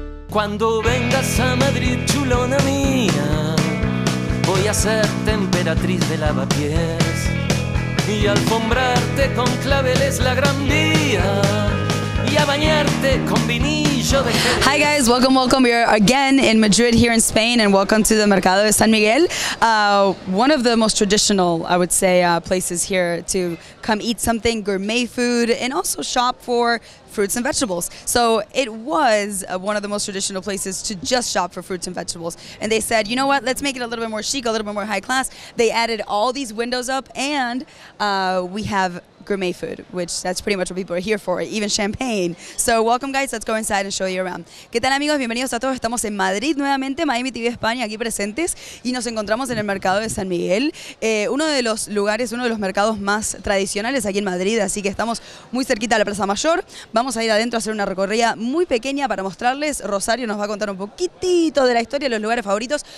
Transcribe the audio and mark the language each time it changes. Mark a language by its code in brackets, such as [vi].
[es] Cuando vengas a Madrid, chulona mía, voy a ser emperatriz de lavapiés y alfombrarte con claveles la Gran Vía y a bañarte con vinillo. [en] Hi guys, welcome, welcome. We are again in Madrid here in Spain, and welcome to the Mercado de San Miguel, one of the most traditional, I would say, places here to come eat something, gourmet food, and also shop for fruits and vegetables. So it was one of the most traditional places to just shop for fruits and vegetables. And they said, you know what, let's make it a little bit more chic, a little bit more high class. They added all these windows up, and we have gourmet food, which that's pretty much what people are here for, even champagne. So welcome guys, let's go inside and show you around. [es] ¿Qué tal amigos? Bienvenidos a todos. Estamos en Madrid nuevamente, Miami TV España, aquí presentes, y nos encontramos en el Mercado de San Miguel, uno de los lugares, uno de los mercados más tradicionales aquí en Madrid, así que estamos muy cerquita de la Plaza Mayor. Vamos a ir adentro a hacer una recorrida muy pequeña para mostrarles. Rosario nos va a contar un poquitito de la historia, los lugares favoritos.